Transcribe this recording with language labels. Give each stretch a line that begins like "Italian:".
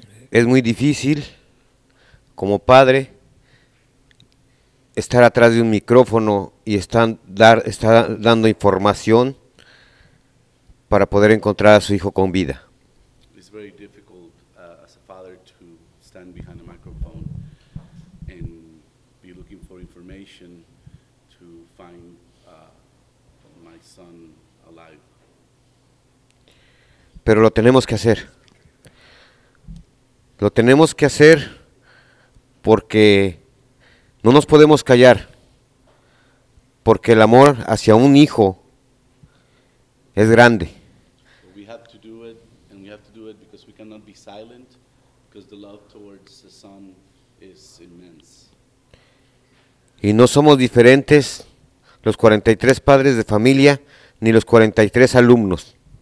Spanish: Es muy difícil, como padre, estar atrás de un micrófono y estar dando información para poder encontrar a su hijo con vida.
English: It's very difficult as a father to stand behind a microphone and be looking for information to find my son alive.
Spanish: Pero lo tenemos que hacer. Lo tenemos que hacer porque no nos podemos callar, porque el amor hacia un hijo es grande.
English: We have to do it, and we have to do it because we cannot be silent, because the love towards the son is immense.
Spanish: Y no somos diferentes los 43 padres de familia ni los 43 alumnos.